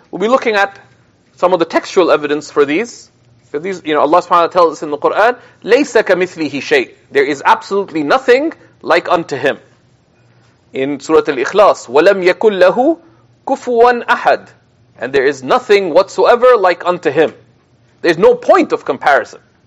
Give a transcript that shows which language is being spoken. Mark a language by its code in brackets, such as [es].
[en] We'll be looking at some of the textual evidence for these. So these, you know, Allah subhanahu wa ta'ala tells us in the Quran, [ar] لَيْسَ كَمِثْلِهِ شَيْءٍ. [en] There is absolutely nothing like unto him. In Surah Al-Ikhlas, [ar] وَلَمْ يَكُلْ لَهُ كُفُوًا أَحَدٍ. [en] And there is nothing whatsoever like unto him. There's no point of comparison.